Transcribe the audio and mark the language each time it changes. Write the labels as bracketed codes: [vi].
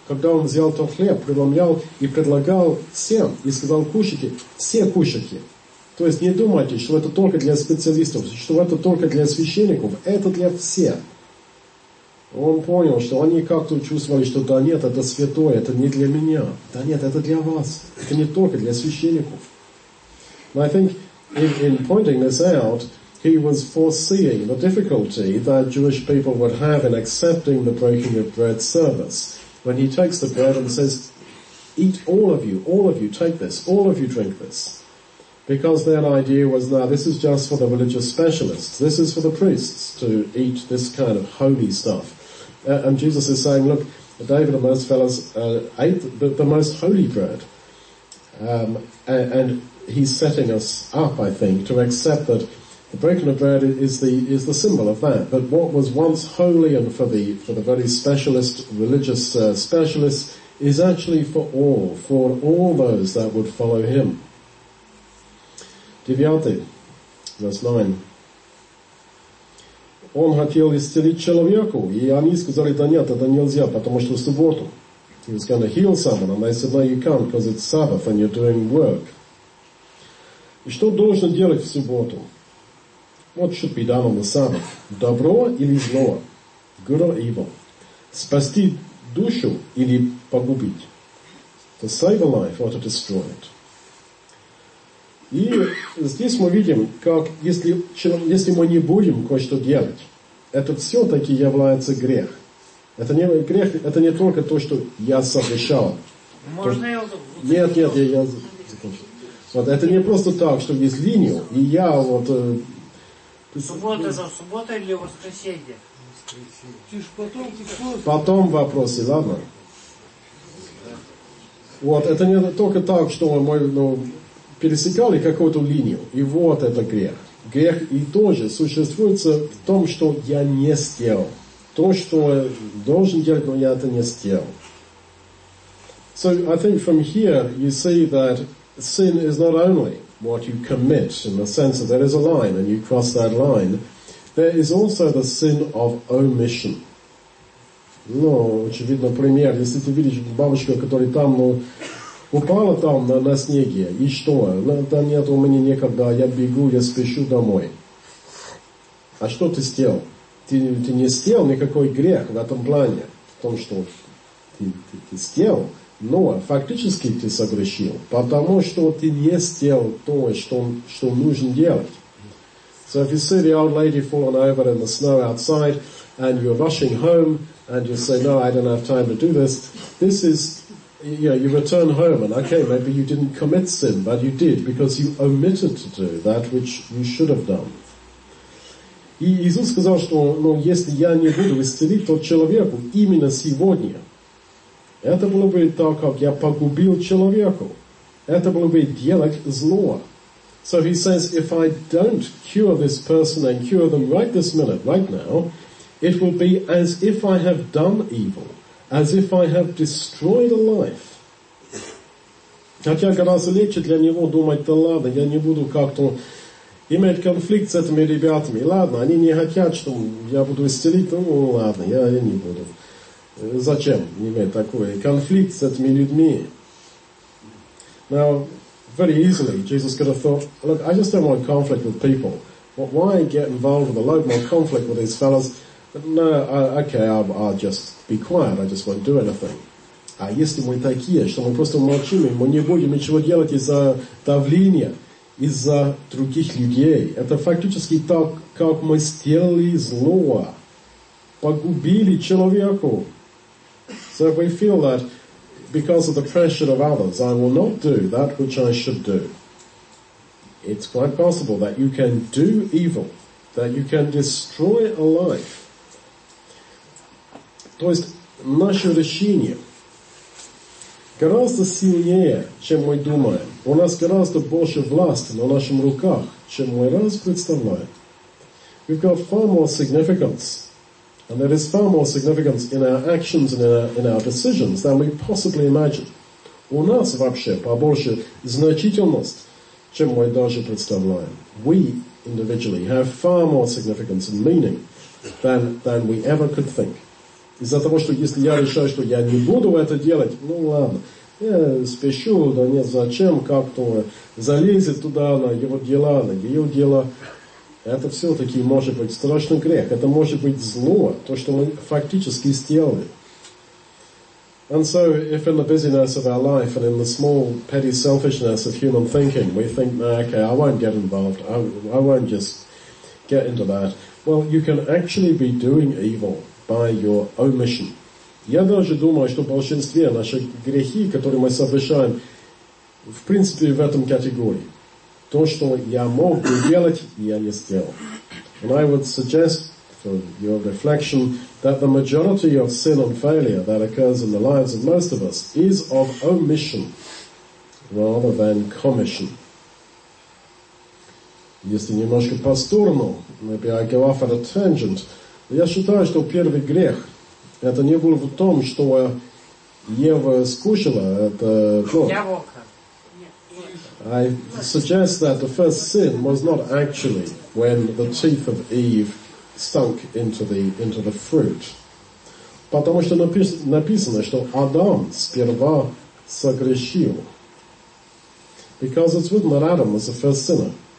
[ru] Когда он взял тот хлеб, преломлял и предлагал всем, и сказал, кушайте, все кушайте. То есть не думайте, что это только для специалистов, что это только для священников, это для всех. Он понял, что они как-то чувствовали, что да нет, это святое, это не для меня. Да нет, это для вас. Это не только для священников. [en] And I think in pointing this out, he was foreseeing the difficulty that Jewish people would have in accepting the breaking of bread service. When he takes the bread and says, eat all of you take this, all of you drink this. Because their idea was, now this is just for the religious specialists, this is for the priests to eat this kind of holy stuff. And Jesus is saying, look, David and those fellows ate the most holy bread. And he's setting us up, I think, to accept that the breaking of bread is the symbol of that. But what was once holy and for the very specialist, religious specialist, is actually for all those that would follow him. [ru] Девятый, [en] verse 9. [ru] Он хотел исцелить человеку, и они сказали, да нет, это нельзя, потому что в субботу. [en] He was going to heal someone, and they said, no, you can't, because it's Sabbath, and you're doing work. [ru] И что должен делать в субботу? [en] What should be done on the Sabbath? [ru] Добро или зло? [en] Good or evil? [ru] Спасти душу или погубить? [en] To save a life or to destroy it? [ru] И здесь мы видим, как если мы не будем кое-что делать, это все-таки является грех. Это не грех, это не только то, что я совершал. Можно то, я закончу. Вот, это не просто так, что есть линию, и я вот... Суббота, это суббота или воскресенье? Потом вопросы, ладно? Вот, это не только так, что мы, ну, пересекали какую-то линию, и вот это грех. Грех и тоже существует в том, что я не сделал. То, что должен делать, но я это не сделал. [en] So, I think from here you see that sin is not only what you commit, in the sense that there is a line and you cross that line, there is also the sin of omission. [ru] Ну, очевидно, пример, если ты видишь бабочку, которая там, ну, упала там на снеге, и что? Да нет, у меня некогда, я бегу, я спешу домой. А что ты сделал? Ты не сделал никакой грех в этом плане, в том, что ты сделал, Но фактически ты согрешил, потому что ты не сделал то, что нужно делать. [en] So if you see the old lady falling over in the snow outside, and you're rushing home, and you say, no, I don't have time to do this, this is, you know, you return home, and okay, maybe you didn't commit sin, but you did, because you omitted to do that which you should have done. [ru] И Иисус сказал, что, ну, если я не буду исцелить тот человеку именно сегодня, это было бы так, как я погубил человеку. Это было бы делать зло. [en] So he says, if I don't cure this person and cure them right this minute, right now, it will be as if I have done evil, as if I have destroyed a life. [ru] Хотя гораздо легче для него думать, да ладно, я не буду как-то иметь конфликт с этими ребятами. Ладно, они не хотят, что я буду исцелить, ну ладно, я не буду. Зачем иметь такой конфликт с этими людьми? [en] Now, very easily, Jesus could have thought, look, I just don't want conflict with people. But why get involved with a load more conflict with these fellas? No, okay, I'll just be quiet, I just won't do anything. [ru] А если мы такие, что мы просто молчим, мы не будем ничего делать из-за давления, из-за других людей. Это фактически так, как мы сделали зло, погубили человеку. [en] So if we feel that because of the pressure of others, I will not do that which I should do. It's quite possible that you can do evil, that you can destroy a life. [ru] То есть наше решение гораздо сильнее, чем мы думаем. У нас гораздо больше власти на наших руках, чем мы раз представляем. [en] We've got far more significance. And there is far more significance in our actions and in our decisions than we possibly imagine. [ru] У нас вообще побольше значительность, чем мы даже представляем. [en] We individually have far more significance and meaning than we ever could think. [ru] Из-за того, что если я решаю, что я не буду это делать, ну ладно, я спешу, да нет, зачем, как-то залезет туда, на его дела, на ее дела. Это все-таки может быть страшный грех, это может быть зло, то, что мы фактически сделали. [en] And so, if in the busyness of our life and in the small, petty selfishness of human thinking, we think, okay, I won't get involved, I won't just get into that. Well, you can actually be doing evil by your omission. [ru] Я даже думаю, что большинство наших грехи, которые мы совершаем, в принципе, в этом категории. То, что я мог бы делать, я не сделал. [en] And I would suggest, for your reflection, that the majority of sin and failure that occurs in the lives of most of us is of omission rather than commission. [ru] Если немножко по-сторону, [en] maybe I go off on a tangent, [ru] я считаю, что первый грех, это не было в том, что Ева скушала, это плод. [en] I suggest that the first sin was not actually when the teeth of Eve sunk into the fruit. [ru] Потому что написано, что Адам сперва согрешил. [en] Because it's written that Adam was the first sinner.